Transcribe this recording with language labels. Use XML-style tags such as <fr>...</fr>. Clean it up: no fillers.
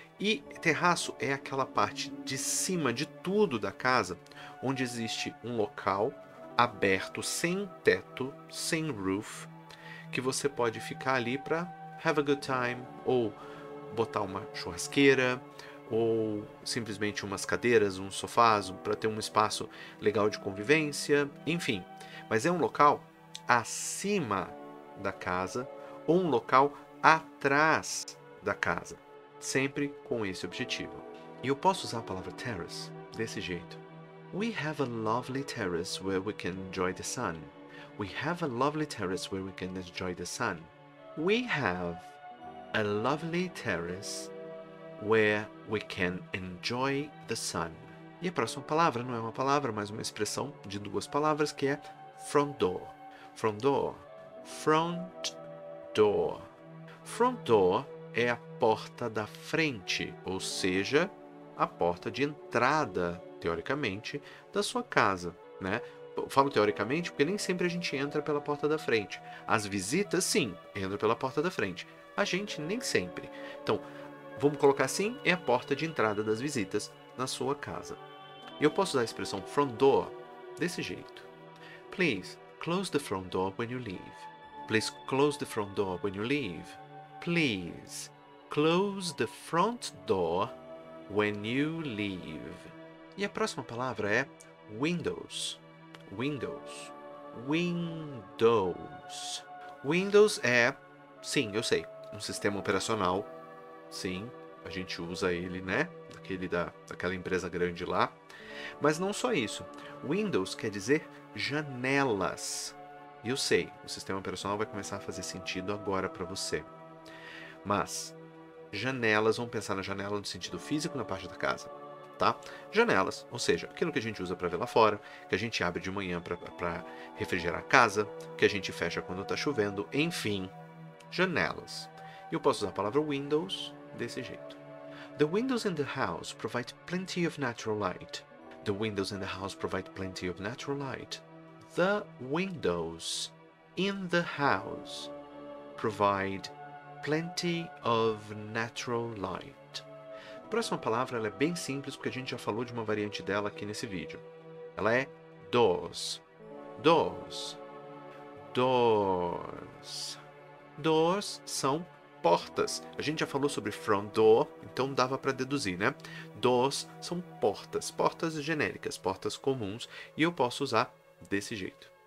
<pt>E terraço é aquela parte de cima de tudo da casa, onde existe um local aberto, sem teto, sem roof, que você pode ficar ali para</pt> <en>have a good time,</en> <pt>ou botar uma churrasqueira, ou simplesmente umas cadeiras, uns sofás, para ter um espaço legal de convivência, enfim. Mas é um local acima da casa ou um local atrás da casa, sempre com esse objetivo. E eu posso usar a palavra terrace desse jeito.</pt> <en>We have a lovely terrace where we can enjoy the sun. We have a lovely terrace where we can enjoy the sun. We have a lovely terrace where we can enjoy the sun.</en> <pt>E a próxima palavra não é uma palavra, mas uma expressão de duas palavras, que é front door. Front door. Front door. Front door é a porta da frente, ou seja, a porta de entrada, teoricamente, da sua casa, né? Falo teoricamente porque nem sempre a gente entra pela porta da frente. As visitas, sim, entram pela porta da frente. A gente, nem sempre. Então, vamos colocar assim, é a porta de entrada das visitas na sua casa. E eu posso usar a expressão front door desse jeito.</pt> <en>Please close the front door when you leave. Please close the front door when you leave. Please close the front door when you leave.</en> <pt>E a próxima palavra é windows. Windows. Windows. Windows é, sim, eu sei, um sistema operacional. Sim, a gente usa ele, né? Aquele daquela empresa grande lá. Mas não só isso. Windows quer dizer janelas. E eu sei, o sistema operacional vai começar a fazer sentido agora para você. Mas janelas, vamos pensar na janela no sentido físico, na parte da casa, tá? Janelas, ou seja, aquilo que a gente usa para ver lá fora, que a gente abre de manhã para refrigerar a casa, que a gente fecha quando está chovendo, enfim, janelas. Eu posso usar a palavra windows desse jeito.</pt> <en>The windows in the house provide plenty of natural light. The windows in the house provide plenty of natural light. The windows in the house provide plenty of natural light.</en> <pt>A próxima palavra, ela é bem simples, porque a gente já falou de uma variante dela aqui nesse vídeo. Ela é doors. Doors. Doors. Doors são portas. A gente já falou sobre front door, então dava para deduzir, né? Doors são portas, portas genéricas, portas comuns, e eu posso usar desse jeito.</pt>